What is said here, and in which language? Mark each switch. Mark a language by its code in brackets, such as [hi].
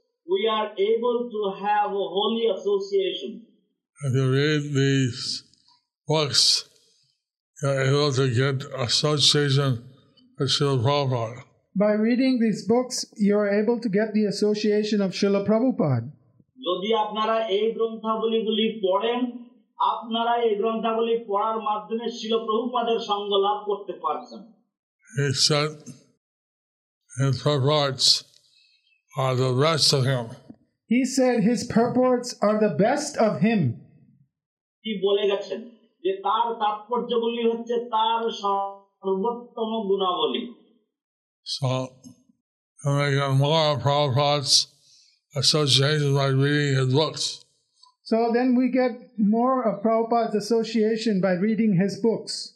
[en] we are able to have a holy association. If you read these books, you are able to get association with Srila Prabhupada. By reading these books, you are able to get the association of Srila Prabhupada. [bn] যদি আপনারা এই গ্রন্থাবলীগুলি পড়েন, আপনারা এই গ্রন্থাবলী পড়ার মাধ্যমে শ্রীল প্রভুপাদের সঙ্গ লাভ করতে পারছেন। [en] He said, his purports are the best of him. He said his purports are the best of him. [bn] কি বলে গেছেন যে তার তাৎপর্যগুলি হচ্ছে তার সর্বোত্তম গুণাবলী। [en] So, I'm making more Prabhupada's association by reading his books. So then we get more of Prabhupada's association by reading his books.